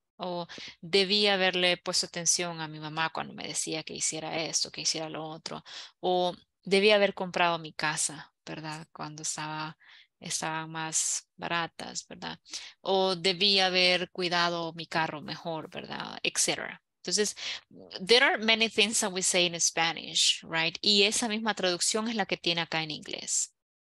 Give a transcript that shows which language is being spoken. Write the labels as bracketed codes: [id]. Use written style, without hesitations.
[es] O debí haberle puesto atención a mi mamá cuando me decía que hiciera esto, que hiciera lo otro. O debí haber comprado mi casa, ¿verdad? Cuando estaban más baratas, ¿verdad? O debí haber cuidado mi carro mejor, ¿verdad? Etcétera. [en] Entonces, there are many things that we say in Spanish, right? [es] Y esa misma traducción es la que tiene acá en inglés.